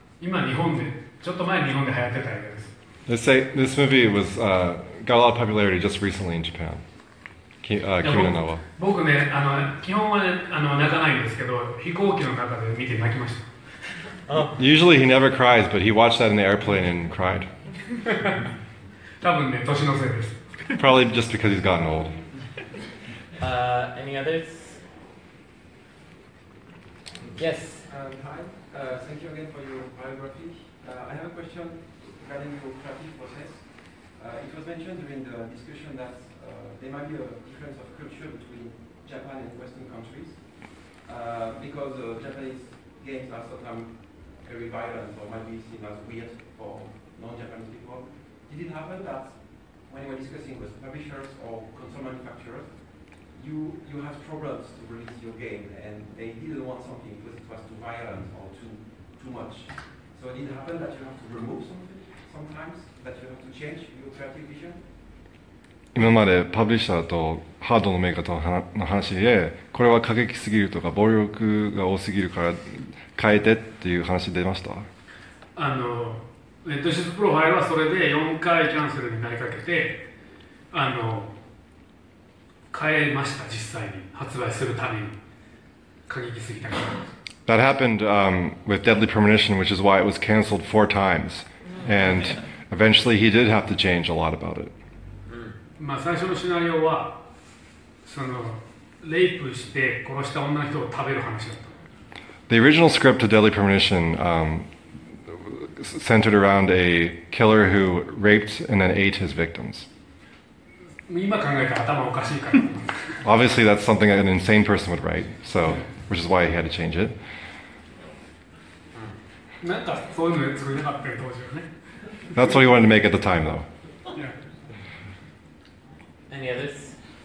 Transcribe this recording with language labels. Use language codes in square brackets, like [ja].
[ja] 今日本で、ちょっと前日本で流行ってた映画です。 [en] This movie was, got a lot of popularity just recently in Japan. 君の名は。 [ja] 僕ね、あの基本は、ね、あの泣かないんですけど、飛行機の中で見て泣きました。 [en] Usually he never cries, but he watched that in the airplane and cried. [ja] 多分ね、年のせいです。 [en] Probably just because he's gotten old. Any others? Yes. Thank you again for your biography. I have a question regarding your creative process. It was mentioned during the discussion that there might be a difference of culture between Japan and Western countries because Japanese games are sometimes very violent or might be seen as weird for non-Japanese people. Did it happen that when you were discussing with publishers or console manufacturers, you have problems to release your game and they didn't want something because it was too violent or too much. So did it happen that you have to remove something sometimes, that you have to change your creative vision? [ja] 今までパブリッシャーとハードのメーカーとの話で、これは過激すぎるとか暴力が多すぎるから変えてっていう話出ました？あの、レッドシスプロファイルはそれで4回キャンセルになりかけて、あの変えました実際に発売するために過激すぎたから。 [en] That happened with Deadly Premonition, which is why it was cancelled 4 times. And eventually he did have to change a lot about it. [ja] まあ最初のシナリオはそのレイプして殺した女の人を食べる話だった。 [en] The original script to Deadly Premonition centered around a killer who raped and then ate his victims. [ja] 今考えたら頭おかしいから。 [en] Obviously that's something an insane person would write, so which is why he had to change it. That's what he wanted to make at the time, though. Yeah. Any others?